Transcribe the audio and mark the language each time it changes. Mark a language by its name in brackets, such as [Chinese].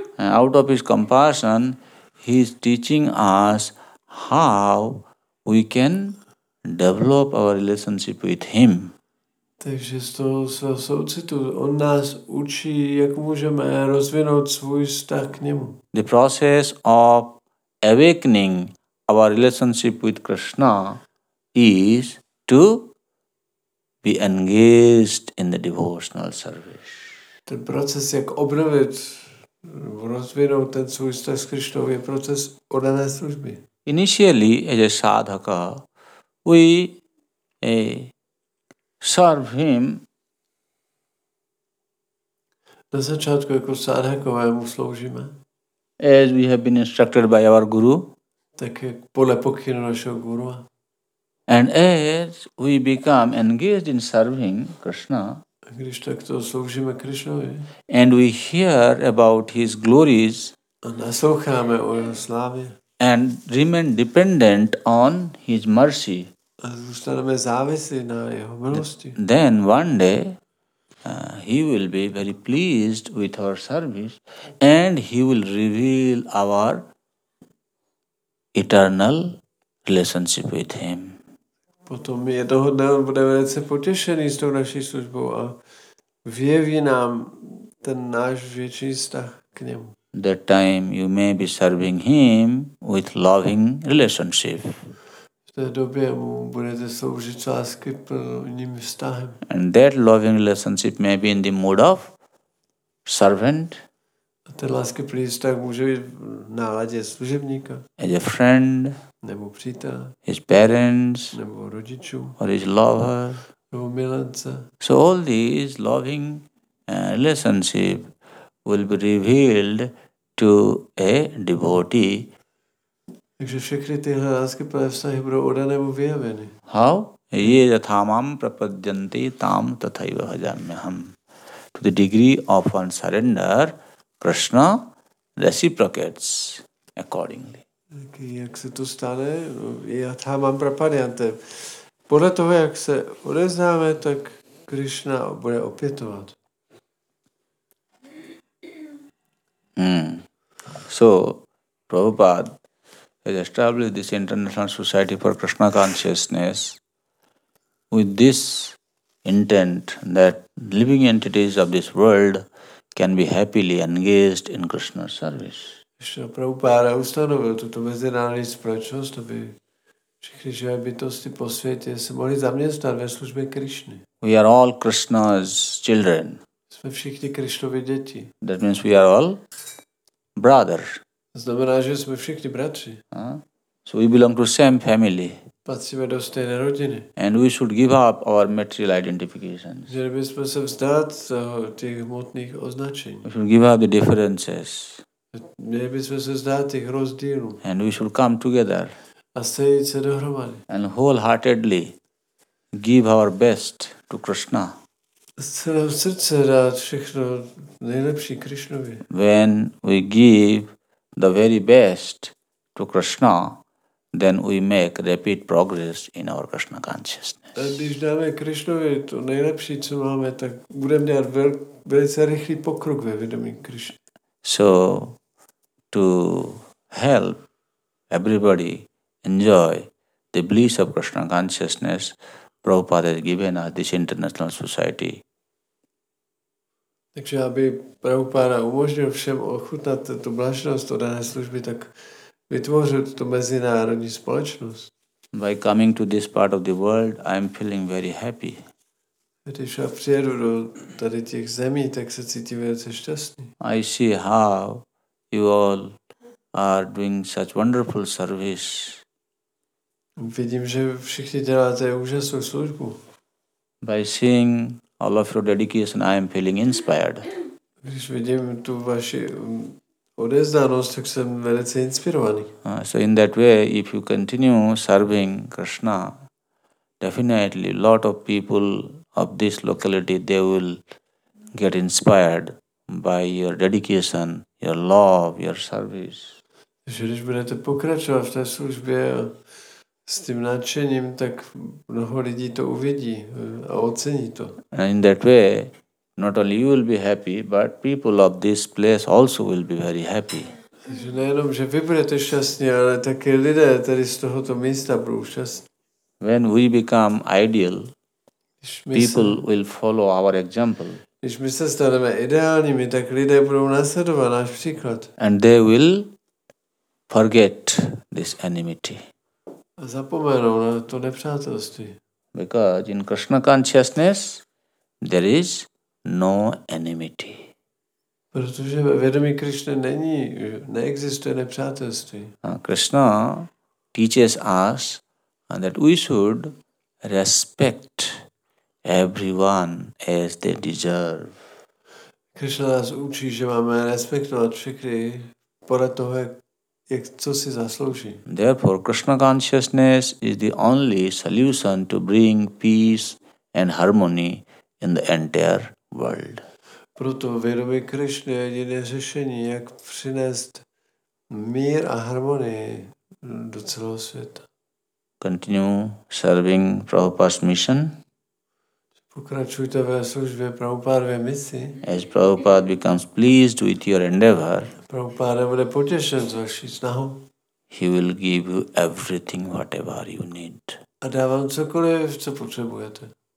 [English] And out of his compassion, he is teaching us how we can develop our relationship with him. [Czech] Takže z toho svého soucitu on nás učí, jak můžeme rozvinout svůj vztah k němu. [English] The process of awakening our relationship with Krishna is to be engaged in the devotional service. [Czech] Ten proces, jak obnovit, rozvinout ten svůj vztah s Krishnou, je proces oddané služby. [English] Initially, as a sadhaka, we serve him. [Czech] Na začátku jako sadhakové mu sloužíme. [English] As we have been instructed by our guru. [Czech] Tak jak podle pokynu našeho guru. [English] And as we become engaged in serving Krishna, [Czech] když takto sloužíme Krishnovi, [English] and we hear about his glories, [Czech] a nasloucháme o jeho slávě, [English] and remain dependent on his mercy, [Czech] a zůstaneme závislí na jeho milosti, [English] then one day he will be very pleased with our service and he will reveal our eternal relationship with him. [Czech] Potom jednoho dne on bude velice potěšený s tou naší službou a vyjeví nám ten náš větší vztah k němu. [English] That time you may be serving him with loving relationship. [Czech] V té době mu budete sloužit lásky plným vztahem. [English] And that loving relationship may be in the mood of servant. [Czech] A ten lásky plný vztah může být v náladě služebníka. [English] As a friend. [Czech] Nebo přítel, [English] his parents, [Czech] nebo rodičů, [English] or his lover, [Czech] nebo milence. [English] So all these loving relationship will be revealed to a devotee. [Czech] Takže všechny tyhle lásky plné vztahy budou odané mu vyjaveny. [English] How? [Sanskrit] Ye yathamam prapadyanti tam tathaiva bhajamyaham. [English] To the degree of one surrender, Krishna reciprocates accordingly. [Czech] Tak jak se to stane? Já tam mám prapadyante. Podle toho, jak se odeznáme, tak Krishna bude opětovat. [English] So, Prabhupada has established this International Society for Krishna Consciousness with this intent that living entities of this world can be happily engaged in Krishna's service. [Czech] Ještě Prabhupada ustanovil tuto mezinárodní společnost, aby všechny živé bytosti po světě se mohly zaměstnat ve službě Krishny. [English] We are all Krishna's children. [Czech] Jsme všichni Krishnovy děti. [English] That means we are all brothers. [Czech] Znamená, že jsme všichni bratři. [English] So we belong to same family. [Czech] Patříme do stejné rodiny. [English] And we should give up our material identifications. [Czech] Měli bychom se vzdát těch hmotných označení. [English] We should give up the differences. [Czech] Měli bychom se vzdát těch rozdílů. [English] And we should come together. [Czech] A sejít se dohromady. [English] And wholeheartedly give our best to Krishna. [Czech] Z celého srdce dát všechno nejlepší Krishnovi. [English] When we give the very best to Krishna, then we make rapid progress in our Krishna consciousness. [Czech] A když dáme Krishnovi to nejlepší, co máme, tak budeme dělat velice rychlý pokrok ve vědomí Krishna. [English] So, to help everybody enjoy the bliss of Krishna consciousness, Prabhupada has given us this international society. [Czech] Takže aby Prabhupada umožnil všem ochutnat tu blaženost od dané služby, tak vytvořil tu mezinárodní společnost. [English] By coming to this part of the world, I am feeling very happy. [Czech] Když já přijedu do tady těch zemí, tak se cítím velice šťastný. [English] I see how you all are doing such wonderful service. [Czech] Vidím, že všichni děláte úžasnou službu. [English] By seeing all of your dedication, I am feeling inspired. [Czech] Když vidím tu vaši odevzdanost, tak jsem velice inspirovaný. [English] So in that way, if you continue serving Krishna, definitely lot of people of this locality, they will get inspired by your dedication, your love, your service. [Czech] Takže když budete pokračovat v té službě s tím nadšením, tak mnoho lidí to uvidí a ocení to. [English] And in that way, not only you will be happy, but people of this place also will be very happy. [Czech] Takže nejenom, že vy budete šťastní, ale také lidé tady z tohoto místa budou šťastní. [English] When we become ideal, people will follow our example. [Czech] Když my se staneme ideálními, tak lidé budou následovat náš příklad. [English] And they will forget this enmity. [Czech] A zapomenou na to nepřátelství. [English] Because in Krishna consciousness, there is no enmity. [Czech] Protože ve vědomí Krishna není, neexistuje nepřátelství. [English] Krishna teaches us that we should respect everyone as they deserve. [Czech] Krishna nás učí, že máme respektovat všechny podle toho, jak co si zaslouží. [English] Therefore, Krishna consciousness is the only solution to bring peace and harmony in the entire world. [Czech] Proto vědomí Krishna je jediné řešení, jak přinést mír a harmonii do celého světa. [English] Continue serving Prabhupada's mission. [Czech] Pokračujte ve službě Prabhupádové misi. [English] As Prabhupada becomes pleased with your endeavor, [Czech] Prabhupáda bude potěšen z vaší snahu. [English] He will give you everything whatever you need. [Czech] A dá vám cokoliv, co potřebujete.